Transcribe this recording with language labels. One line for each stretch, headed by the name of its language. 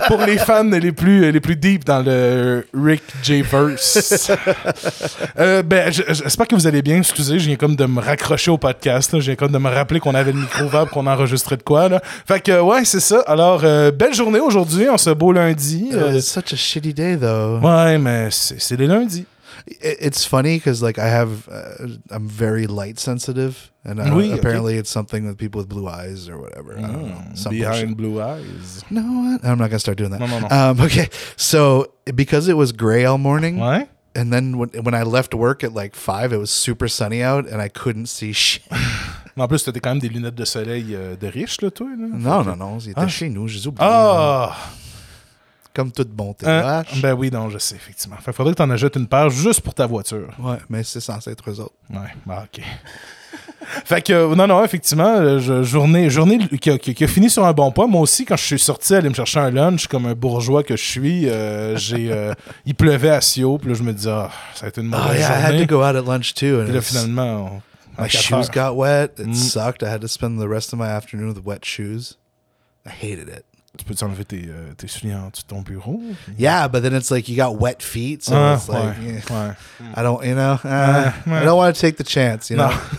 French: Pour les fans les plus deep dans le Rick J-verse. J'espère que vous allez bien. Excusez, je viens comme de me raccrocher au podcast. Je viens comme de me rappeler qu'on avait le micro ouvert, qu'on enregistrait de quoi. Là. Fait que ouais, c'est ça. Alors, belle journée aujourd'hui en ce beau lundi.
English: Such a shitty day though.
French: Ouais, mais c'est les lundis.
English: It's funny because like I have I'm very light sensitive and oui, apparently okay. It's something with people with blue eyes or whatever. Mm, I don't know, behind blue eyes. No, I'm not gonna start doing that. No. Okay, so because it was gray all morning. Why? And then when I left work at like 5, it was super sunny out and I couldn't see shit.
French: En plus, t'étais quand même des lunettes de soleil de riche là, toi. Là. Non, ils étaient chez nous. J'ai oublié. Comme toute bonté. Ben oui, non, je sais, effectivement. Il faudrait que tu en ajoutes une paire juste pour ta voiture. Ouais, mais c'est censé être eux autres. Ouais, bah OK. Fait que, non, effectivement, journée qui a fini sur un bon point. Moi aussi, quand je suis sorti aller me chercher un lunch, comme un bourgeois que je suis, il pleuvait à Sio, puis là, je me disais, oh, ça a été une mauvaise journée.
English: I had to go out at lunch, too.
French: Puis là, finalement,
English: my shoes heures. Got wet. It sucked. I had to spend the rest of my afternoon with wet shoes. I hated it.
French: Tu peux t'enlever tes souliers en dessous de ton bureau?
English: Yeah, but then it's like you got wet feet, so it's like,
French: ouais.
English: I don't, you know, I don't want to take the chance, you know?